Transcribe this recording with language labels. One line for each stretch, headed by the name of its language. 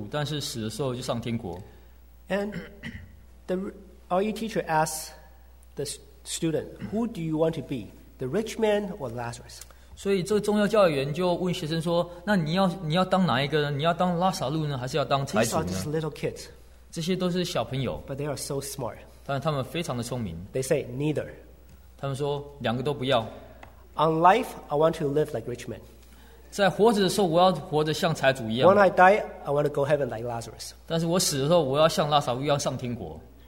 Chinese: 这个财主在世的时候过着非常好的生活，但是死的时候就去下地狱。但拉撒路在活着的时候过得非常的苦，但是死的时候就上天国。
English: And the RE teacher asks the student, "Who do you want to be, the rich man or Lazarus?"
Chinese: 所以这个宗教教育员就问学生说：“那你要当哪一个呢？你要当拉撒路呢，还是要当财主呢？”
English: These are just little kids.
Chinese: 这些都是小朋友。
English: But they are so smart.
Chinese: 但是他们非常的聪明。
English: They say neither.
Chinese: 他们说两个都不要。
English: On life, I want to live like rich men.
Chinese: 在活着的时候，我要活得像财主一样。
English: When I die, I want to go heaven like Lazarus.
Chinese: 但是我死的时候，我要像拉撒路一样上天国。